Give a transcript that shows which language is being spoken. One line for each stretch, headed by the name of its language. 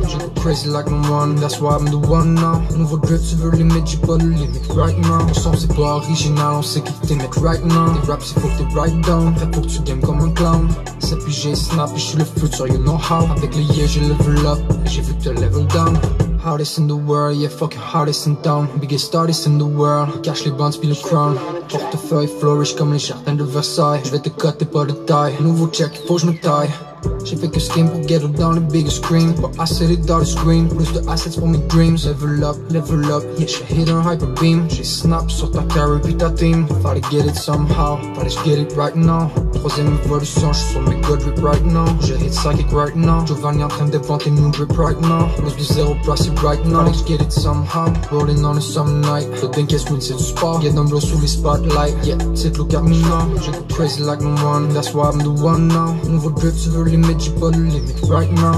French: J'ai
English: go crazy like no one, that's why I'm the one now.
French: Nouveau drip, tu veux limit, j'ai pas le limit
English: right now.
French: On sent c'est pas original, on sait qui t'aimait right now. Des raps, c'est faut que t'es
English: right down.
French: Prêt pour que tu game comme un clown. C'est puis j'ai snap et j'suis le futur,
English: you know how.
French: Avec les yeux j'ai level up et j'ai vu que t'es level down.
English: Hardest in the world, yeah fuck your hardest in town. Biggest artist in the world,
French: cash les bands puis le crown. Portefeuille flourish comme les jardins de Versailles. J'vais te cut et pas de taille. Nouveau check, faut j'me taille. J'ai fait que skin pour
English: get up
French: dans le
English: biggest screen.
French: Pour asset it dans le screen. Plus de assets pour mes dreams.
English: Level up, yeah
French: j'ai hit un
English: hyper beam.
French: J'ai snap sur ta carry puis ta team. Fallait
English: get it somehow,
French: fallait
English: get it right now.
French: Troisième évolution, j'suis sur mes gold drip
English: right now.
French: J'ai hit psychic
English: right now.
French: Giovanni en train de vanter mon drip right now. Plus de zéro
English: pricey right now.
French: Fallait
English: get it somehow, rolling on a summer night.
French: Le dink est swing, c'est du sport.
English: Get down low
French: sous les
English: spotlight. Yeah,
French: c'est
English: look at me now. J'ai go crazy like no one, that's why I'm the one now.
French: Nouveau drip, tu veux limit, j'ai pas le limit
English: right now.